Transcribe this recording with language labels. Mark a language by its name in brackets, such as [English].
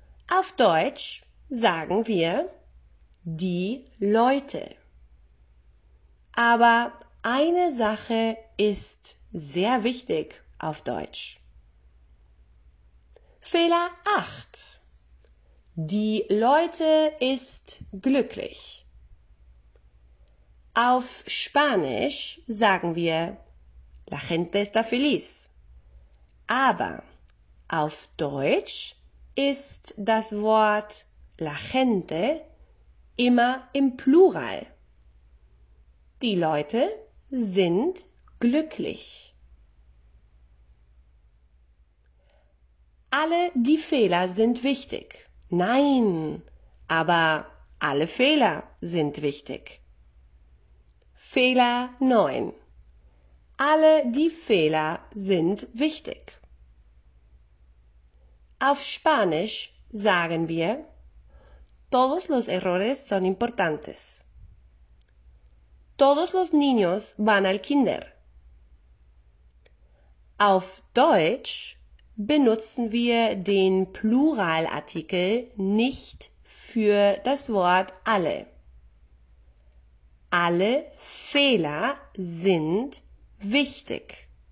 [German] Auf Deutsch sagen wir die Leute. Aber eine Sache ist sehr wichtig auf Deutsch. Fehler 8. Die Leute ist glücklich. Auf Spanisch sagen wir: [Spanish] La gente está feliz. [German] aber. Auf Deutsch ist das Wort [Spanish] la gente [German] immer im Plural. Die Leute sind glücklich. Alle die Fehler sind wichtig. Nein, aber alle Fehler sind wichtig. Fehler 9. Alle die Fehler sind wichtig. Auf Spanisch sagen wir, [Spanish] todos los errores son importantes. Todos los niños van al kinder. [German] Auf Deutsch benutzen wir den Pluralartikel nicht für das Wort alle. Alle Fehler sind wichtig.